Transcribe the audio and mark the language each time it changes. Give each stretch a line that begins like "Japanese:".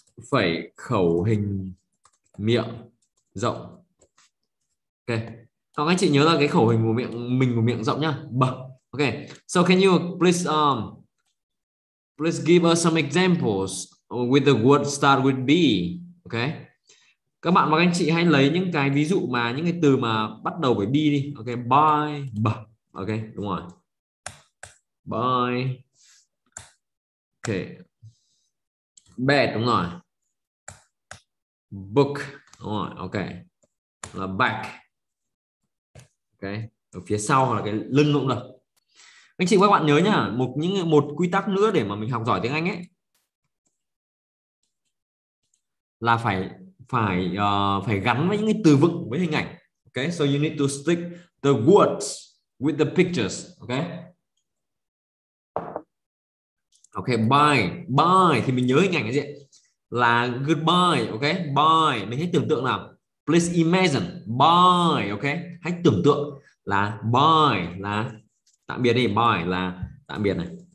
Vietnamese: Phẩy khẩu hình miệng rộng. Ok. Các anh chị nhớ là cái khẩu hình của miệng rộng nhá. B. Ok.
English: So can you please please give us some examples with the word start with B. Ok.
Vietnamese: Các bạn và các anh chị hãy lấy những cái ví dụ mà những cái từ mà bắt đầu với B đi. Ok, boy, b. Ok, đúng rồi. Boy. Ok. Bed, đúng rồi. Book, đúng rồi. Ok. Là back. Ok, ở phía sau hoặc là cái lưng cũng được. Anh chị các bạn nhớ nhá, một quy tắc nữa để mà mình học giỏi tiếng Anh ấy là phải phải phải gắn với những cái từ vựng với hình ảnh.
English: Ok, so you need to stick the words with the pictures.
Vietnamese: Ok, bye bye thì mình nhớ hình ảnh cái gì ấy? Là goodbye. Ok, bye, mình hãy tưởng tượng nào.
English: Please imagine, bye, ok.
Vietnamese: Hãy tưởng tượng là bye, là tạm biệt đi, bye, là tạm biệt này.